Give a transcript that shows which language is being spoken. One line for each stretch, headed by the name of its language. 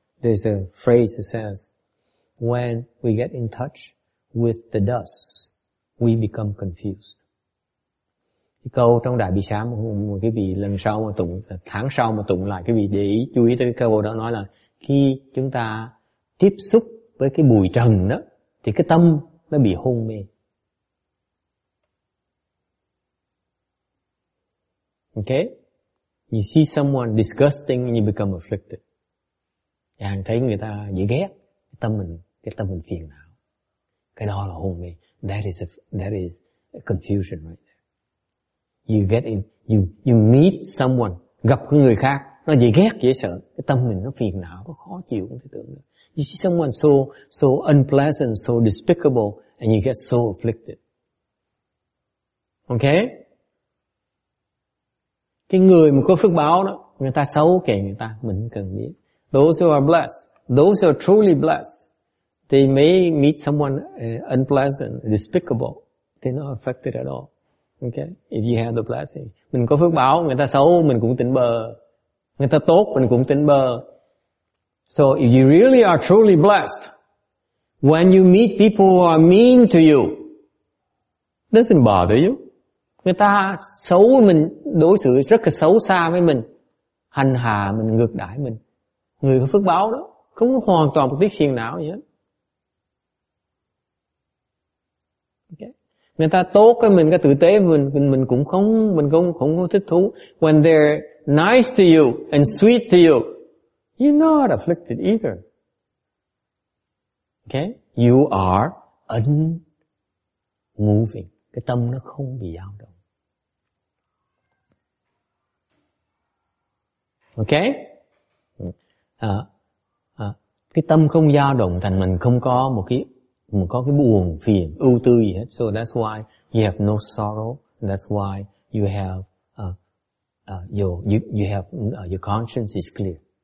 English: There's a phrase that says, when we get in touch with the dust, we become confused.
Vietnamese: Cái câu trong đại bi sám một cái vị lần sau mà tụng, tháng sau mà tụng lại, cái vị để ý chú ý tới cái câu đó, nói là khi chúng ta tiếp xúc với cái bụi trần đó thì cái tâm nó bị hôn mê.
English: Okay, you see someone disgusting and you become afflicted.
Vietnamese: Chàng thấy người ta dễ ghét, cái tâm mình phiền não, cái đó là hôn mê.
English: That is a confusion right there. You meet someone,
Vietnamese: gặp người khác nó dễ ghét dễ sợ, cái tâm mình nó phiền não, nó khó chịu, không thể tưởng được.
English: You see someone so unpleasant, so despicable, and you get so afflicted. Okay.
Vietnamese: Cái người mà có phước báo đó, người ta xấu kệ người ta, mình cần biết.
English: Those who are blessed, those who are truly blessed, they may meet someone unpleasant, despicable, they're not affected at all. Okay? If you have the blessing.
Vietnamese: Mình có phước báo, người ta xấu, mình cũng tỉnh bơ. Người ta tốt, mình cũng tỉnh bơ.
English: So if you really are truly blessed, when you meet people who are mean to you, doesn't bother you.
Vietnamese: Người ta xấu với mình, đối xử rất là xấu xa với mình, hành hạ mình, ngược đãi mình. Người có phước báo đó, không có hoàn toàn một tí phiền não gì hết. Người ta tốt với mình, cái tử tế mình cũng không, mình cũng không có thích thú.
English: When they're nice to you and sweet to you, you're not afflicted either. Okay? You are unmoving.
Vietnamese: Cái tâm nó không bị dao động.
English: Okay?
Vietnamese: Cái tâm không dao động thành mình không có một cái, mình có cái buồn phiền ưu tư gì hết.
English: So that's why you have no sorrow. That's why you have your conscience is clear.